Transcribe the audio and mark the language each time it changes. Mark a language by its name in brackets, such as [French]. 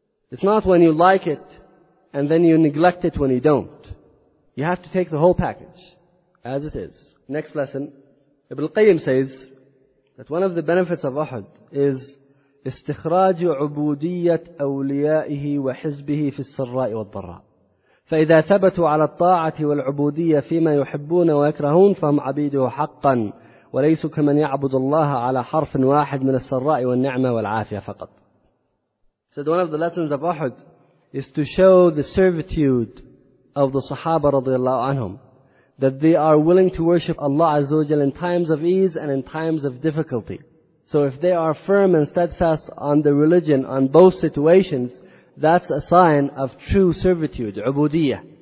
[English] It's not when you like it and then you neglect it when you don't. You have to take the whole package as it is. Next lesson. Ibn Qayyim says that one of the benefits of Uhud is [Arabic] استخراج عبودية أوليائه وحزبه في السراء والضراء. فإذا ثبتوا على الطاعة والعبودية فيما يحبون ويكرهون فهم عبيده حقا وليسوا كمن يعبد الله على حرف واحد من السراء والنعمة والعافية فقط. [English] Said one of the lessons of Uhud is to show the servitude of the Sahaba radiallahu anhum, that they are willing to worship Allah Azza wa Jalla in times of ease and in times of difficulty. So if they are firm and steadfast on the religion, on both situations, that's a sign of true servitude, ubudiyyah.